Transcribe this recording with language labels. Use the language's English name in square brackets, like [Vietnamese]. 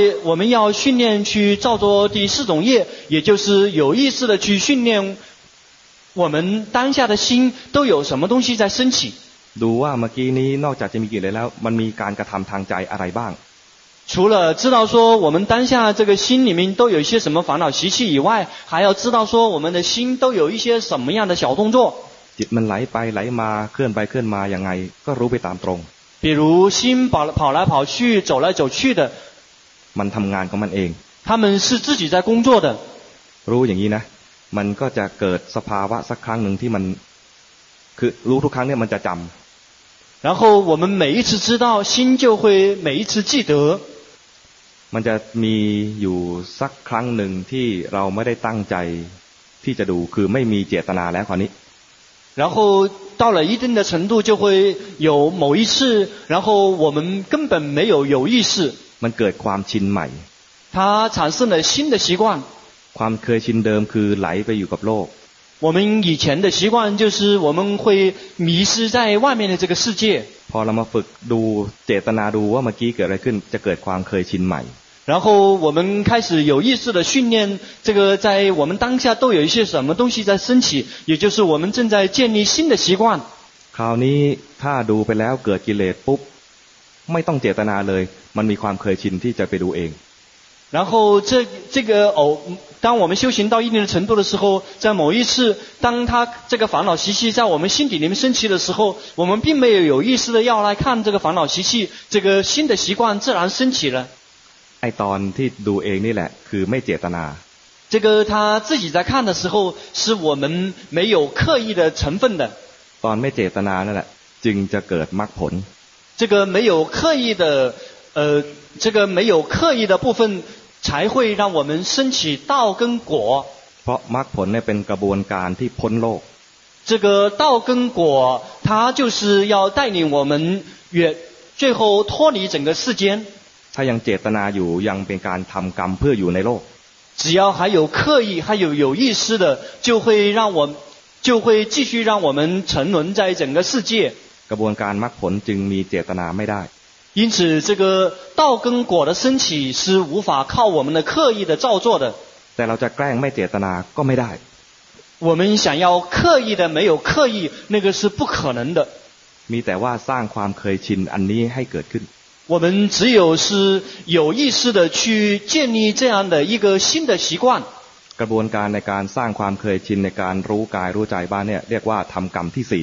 [Chinese] 我们要训练去造作第四种业也就是有意识的去训练我们当下的心都有什么东西在升起 [Thai] ดูว่าเมื่อกี้นี้นอกจากจะมีกิเลสแล้วมันมีการกระทําทางใจอะไรบ้าง [Chinese] 除了知道说我们当下这个心里面都有一些什么烦恼习气以外还要知道说我们的心都有一些什么样的小动作 [Thai] จิตมันไหลไปไหลมาเคลื่อนไปเคลื่อนมายังไงก็รู้ไปตามตรง [Chinese] 比如心跑来跑去走来走去的 [Thai] มันทำงานของมันเอง [Chinese] 他们是自己在工作的 [Thai] รู้อย่างนี้นะมันก็จะเกิดสภาวะสักครั้งหนึ่งที่มันคือรู้ทุกครั้งเนี่ยมันจะจำ [Chinese] 然后我们每一次知道心就会每一次记得 [Thai] มันจะมีอยู่สักครั้งหนึ่งที่เราไม่ได้ตั้งใจที่จะดูคือไม่มีเจตนาแล้วคราวนี้ [Chinese] 然后到了一定的程度就会有某一次然后我们根本没有有意识 [Thai] มันเกิดความชินใหม่ [Chinese] 它产生了新的习惯 [Thai] ความเคยชินเดิมคือไหลไปอยู่กับโลก [Chinese] 我们以前的习惯就是我们会迷失在外面的这个世界 [Thai] พอเรามาฝึกดูเจตนาดูว่าเมื่อกี้เกิดอะไรขึ้นจะเกิดความเคยชินใหม่ [Chinese] 然后我们开始有意识的训练这个在我们当下都有一些什么东西在升起也就是我们正在建立新的习惯 [Thai] คราวนี้ถ้าดูไปแล้วเกิดกิเลสปุ๊บไม่ต้องเจตนาเลยมันมีความเคยชินที่จะไปดูเอง [Chinese] 然后这个当我们修行到一定的程度的时候在某一次当他这个烦恼习气在我们心底里面升起的时候我们并没有有意识的要来看这个烦恼习气这个新的习惯自然升起了 [Thai] ไอตอนที่ดูเองนี่แหละคือไม่เจตนา [Chinese] 这个他自己在看的时候是我们没有刻意的成分的 [Thai] ตอนไม่เจตนานั่นแหละจึงจะเกิดมรรคผล [Chinese] 这个没有刻意的这个没有刻意的部分才会让我们升起道跟果 [Thai] เพราะมรรคผลเนี่ยเป็นกระบวนการที่พ้นโลก [Chinese] 这个道跟果，它就是要带领我们远最后脱离整个世间。 [Thai] ถ้ายังเจตนาอยู่ยังเป็นการทำกรรมเพื่ออยู่ในโลก [Chinese] 只要还有刻意还有有意识的就会让我就会继续让我们沉沦在整个世界 [Thai] กระบวนการมรรคผลจึงมีเจตนาไม่ได้ [Chinese] 因此这个道跟果的升起是无法靠我们的刻意的造作的 [Thai] แต่เราจะแกล้งไม่เจตนาก็ไม่ได้ [Chinese] 我们想要刻意的没有刻意那个是不可能的 [Thai] มีแต่ว่าสร้างความเคยชินอันนี้ให้เกิดขึ้น [Chinese] 我们只有是有意识的去建立这样的一个新的习惯 [Thai] กระบวนการในการสร้างความเคยชินในการรู้กายรู้ใจบ้างเนี่ยเรียกว่าทำกรรมที่สี